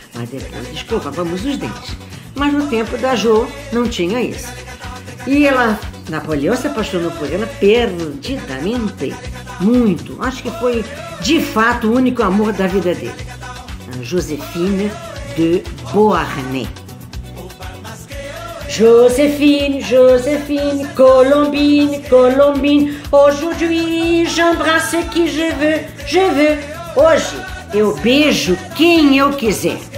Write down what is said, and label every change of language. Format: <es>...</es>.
<pt>Mas depois escovávamos os dentes. Mas no tempo da Jo não tinha isso. E ela, Napoleão se apaixonou por ela perdidamente, muito. Acho que foi, de fato, o único amor da vida dele. A Joséphine de Beauharnais.</pt> <fr>Joséphine, Joséphine, Colombine, Colombine, aujourd'hui j'embrasse qui je veux, je veux.</fr> <pt>Hoje eu beijo quem eu quiser.</pt>